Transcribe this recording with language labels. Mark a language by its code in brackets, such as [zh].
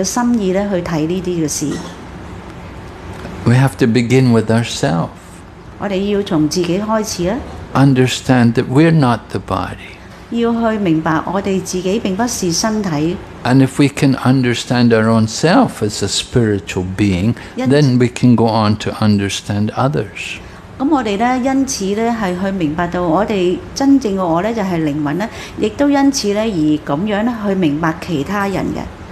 [yue] 我哋都要去訓練我哋嘅心意咧去睇呢啲嘅事。 [en] We have to begin with ourselves. [yue] 我哋要從自己開始啊。 [en] Understand that we're not the body. [yue] 要去明白我哋自己并不是身体. [en] And if we can understand our own self as a spiritual being, then we can go on to understand others. [yue] 咁我哋咧，因此咧系去明白到我哋真正嘅我咧就系灵魂咧，亦都因此咧而咁样咧去明白其他人嘅.